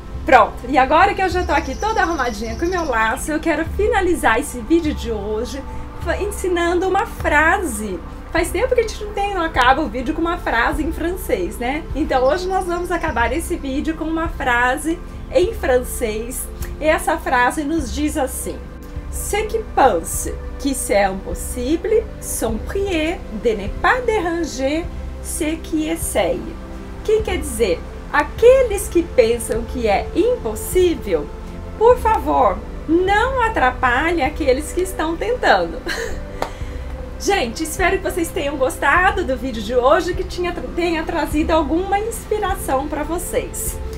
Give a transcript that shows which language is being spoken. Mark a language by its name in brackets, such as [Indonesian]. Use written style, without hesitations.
[Portuguese] Pronto, e agora que eu já tô aqui toda arrumadinha com o meu laço, eu quero finalizar esse vídeo de hoje ensinando uma frase. Faz tempo que a gente não acaba o vídeo com uma frase em francês, né? Então hoje nós vamos acabar esse vídeo com uma frase em francês. E essa frase nos diz assim: [French] Ce qui pense que c'est impossible, sont priés de ne pas déranger ce qui essaye. [Portuguese] Que quer dizer? Aqueles que pensam que é impossível, por favor, não atrapalhe aqueles que estão tentando. Gente, espero que vocês tenham gostado do vídeo de hoje, que tenha trazido alguma inspiração para vocês.